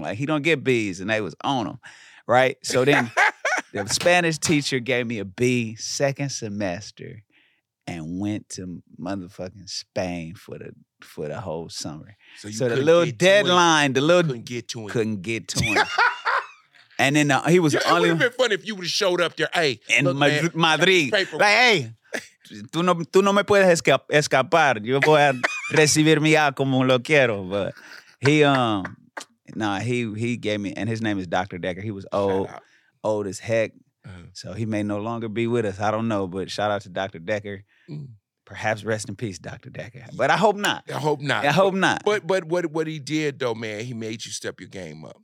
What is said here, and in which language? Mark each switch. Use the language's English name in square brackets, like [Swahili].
[English] Like, he don't get Bs. And they was on him, right? So then the Spanish teacher gave me a B second semester and went to motherfucking Spain for the whole summer. So, you so the little deadline, the little— couldn't get to him. Couldn't get to him. And then he was the only— it would have been funny if you would have showed up there, hey. In Madrid. Like, hey. [Spanish] Tú no me puedes escapar. Yo voy a recibir mi A como lo quiero. [English] But he gave me, and his name is Dr. Decker. He was old as heck. Uh-huh. So he may no longer be with us. I don't know, but shout out to Dr. Decker. Mm. Perhaps rest in peace, Dr. Decker. But I hope not. But, what he did, though, man, he made you step your game up.